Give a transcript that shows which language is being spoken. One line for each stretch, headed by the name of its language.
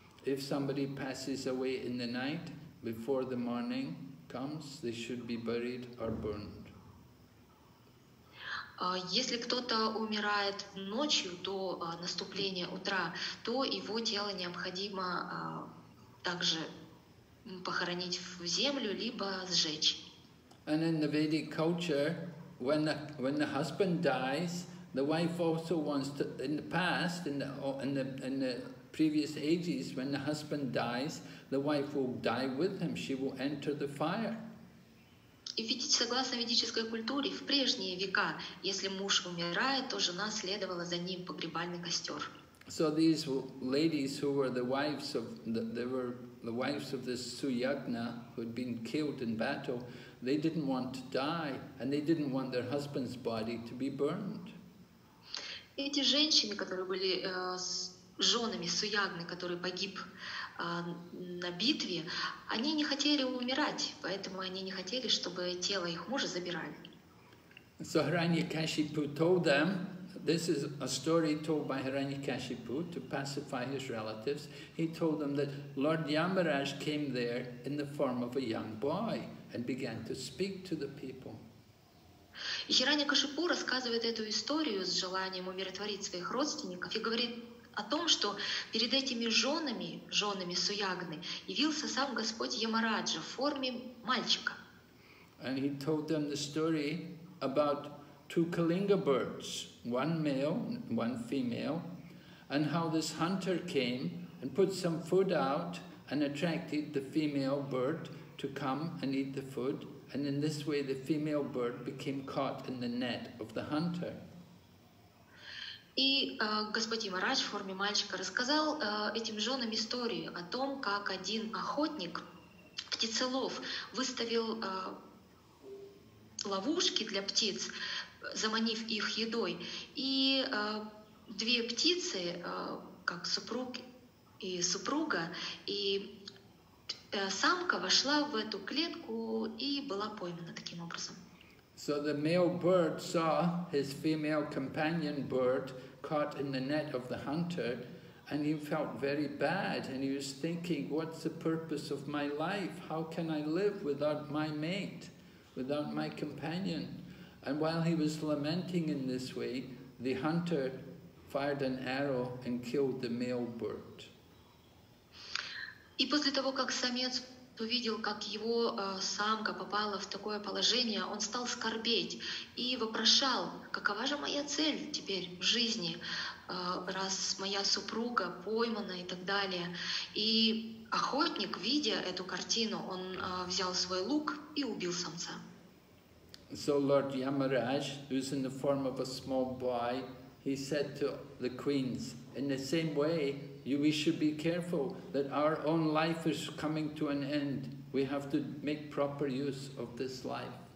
English: If somebody passes away in the night, before the morning comes, they should be buried or burned.
Russian: Если кто-то умирает ночью до наступления утра, то его тело необходимо также похоронить в землю либо сжечь.
English: And in the Vedic culture, when the husband dies, the wife also wants to. In the past, in the previous ages, when the husband dies, the wife will die with him. She will enter the fire.
Russian: И ведь согласно ведической культуре, в прежние века, если муж умирает, то жена следовала за ним в погребальный костер.
English: So these ladies who were the wives of this Suyagna who had been killed in battle, they didn't want to die, and they didn't want their husband's body to be burned.
Russian: Эти женщины, которые были женами Суягны, который погиб на битве, они не хотели умирать, поэтому они не хотели, чтобы тело их мужа забирали.
English: So Hiranyakashipu told them, this is a story told by Hiranyakashipu to pacify his relatives. He told them that Lord Yamaraj came there in the form of a young boy and began to speak to the people.
Russian: Хиранья-Кашипу рассказывает эту историю с желанием умиротворить своих родственников и говорит о том, что перед этими женами, женами Суягны, явился сам Господь Ямараджа в форме мальчика.
English: And he told them the story about two Kalinga birds, one male, one female, and how this hunter came and put some food out and attracted the female bird to come and eat the food, and in this way the female bird became caught in the net of the hunter.
Russian: И господин Марадж в форме мальчика рассказал этим женам историю о том, как один охотник, птицелов, выставил ловушки для птиц, заманив их едой. И две птицы, как супруг и супруга, и самка вошла в эту клетку и была поймана таким образом.
English: So the male bird saw his female companion bird caught in the net of the hunter, and he felt very bad, and he was thinking, what's the purpose of my life? How can I live without my mate, without my companion? And while he was lamenting in this way, the hunter fired an arrow and killed the male bird.
Russian: И после того, как самец увидел, как его самка попала в такое положение, он стал скорбеть и вопрошал, какова же моя цель теперь в жизни, раз моя супруга поймана и так далее. И охотник, видя эту картину, он взял свой лук и убил самца.
English: So Lord Yamaraj, who is in the form of a small boy, he said to the queens, in the same way, we should be careful that our own life is coming to an end. We have to make proper use of this life.